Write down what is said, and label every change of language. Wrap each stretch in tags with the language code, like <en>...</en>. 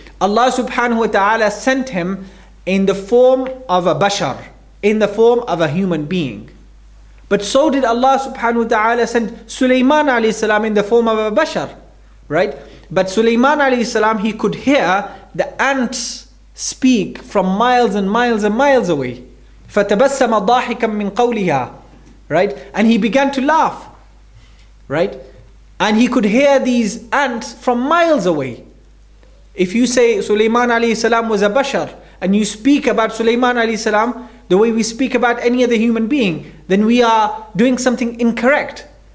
<en>Allah subhanahu wa ta'ala sent him in the form of a bashar, in the form of a human being. But so did Allah subhanahu wa ta'ala send Sulaiman alayhi salam in the form of a bashar, right? But Sulaiman alayhi salam, he could hear the ants speak from miles and miles and miles away.</en> <ar>فَتَبَسَّمَ ضَاحِكًا مِّن قَوْلِهَا,</ar> <en>right? And he began to laugh, right? And he could hear these ants from miles away. If you say Sulaiman alayhi salam was a bashar, and you speak about Sulaiman alayhi salam the way we speak about any other human being, then we are doing something incorrect.</en>